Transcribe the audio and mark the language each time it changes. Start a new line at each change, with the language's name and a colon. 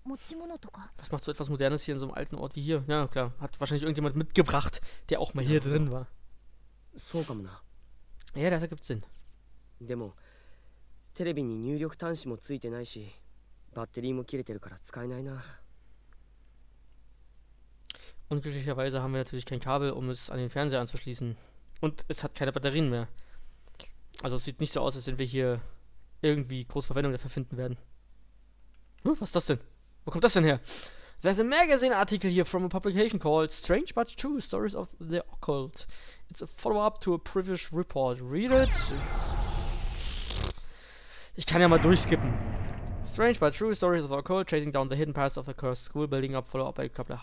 German: Was macht so etwas Modernes hier in so einem alten Ort wie hier? Ja, klar. Hat wahrscheinlich irgendjemand mitgebracht, der auch mal hier drin war. So kann man. Ja, das ergibt Sinn.
Japanese: でもテレビに入力端子もついてないし、バッテリーも切れてるから使えないな。
German: Unglücklicherweise haben wir natürlich kein Kabel, um es an den Fernseher anzuschließen. Und es hat keine Batterien mehr. Also es sieht nicht so aus, als wenn wir hier irgendwie große Verwendung dafür finden werden. Huh, was ist das denn? Wo kommt das denn her?
English: There's a magazine article here from a publication called Strange But True Stories of the Occult. It's a follow-up to a previous report. Read it.
German: Ich kann ja mal durchskippen.
English: Strange but true stories of our cult chasing down the hidden past of the cursed school building up follow up by a couple of